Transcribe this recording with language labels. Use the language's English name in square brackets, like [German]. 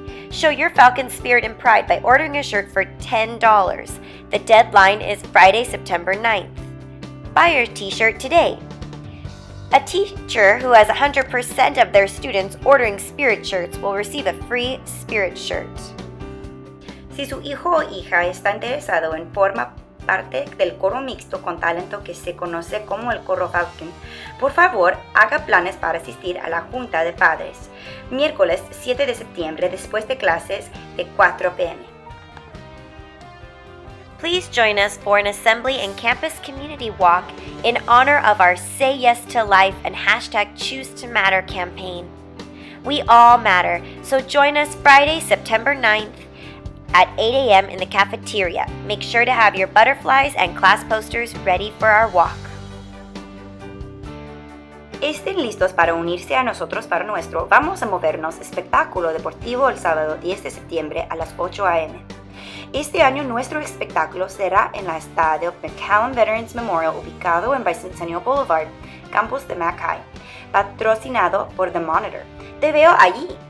[English] Show your Falcon spirit and pride by ordering a shirt for $10. The deadline is Friday, September 9th. Buy your t-shirt today. A teacher who has 100% of their students ordering spirit shirts will receive a free spirit shirt. [Spanish] Si su hijo o hija está interesado en forma parte del coro mixto con talento que se conoce como el coro Falcon, por favor, haga planes para asistir a la junta de padres, miércoles 7 de septiembre después de clases de 4 p.m. [English] Please join us for an assembly and campus community walk in honor of our Say Yes to Life and hashtag Choose to Matter campaign. We all matter, so join us Friday, September 9th. At 8 a.m. in the cafeteria. Make sure to have your butterflies and class posters ready for our walk. [Spanish] Estén listos para unirse a nosotros para nuestro Vamos a Movernos espectáculo deportivo el sábado 10 de septiembre a las 8 a.m. Este año nuestro espectáculo será en la estadio McAllen Veterans Memorial ubicado en Bicentennial Boulevard, campus de McKay, patrocinado por The Monitor. ¡Te veo allí!